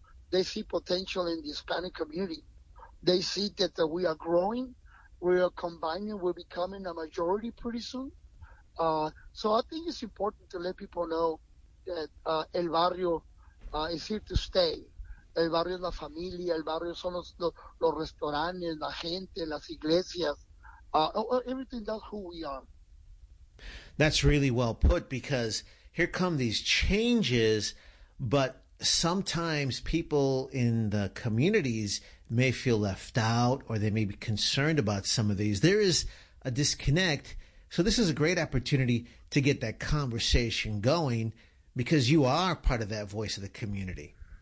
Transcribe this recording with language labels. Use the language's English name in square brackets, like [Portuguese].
[English] They see potential in the Hispanic community. They see that we are growing. We are combining. We're becoming a majority pretty soon. So I think it's important to let people know that El Barrio is here to stay. [Spanish] El Barrio es la familia. El Barrio son los restaurantes, la gente, las iglesias. [English] Everything, that's who we are. That's really well put, because here come these changes, but sometimes people in the communities may feel left out, or they may be concerned about some of these. There is a disconnect. So this is a great opportunity to get that conversation going, because you are part of that voice of the community.